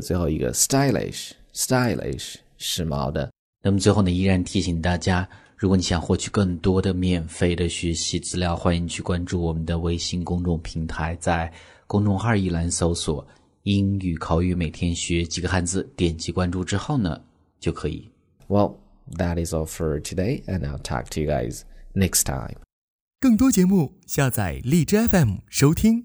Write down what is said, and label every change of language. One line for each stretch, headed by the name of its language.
Chinese: 最后一个 stylish, stylish, 时髦的。那么最后呢，依然提醒大家，如果你想获取更多的免费的学习资料，欢迎去关注我们的微信公众平台，在公众号一栏搜索英语口语每天学几个汉字，点击关注之后呢就可以。
English: Well, that is all for today, and I'll talk to you guys next time.
Chinese: 更多节目下载荔枝 FM 收听。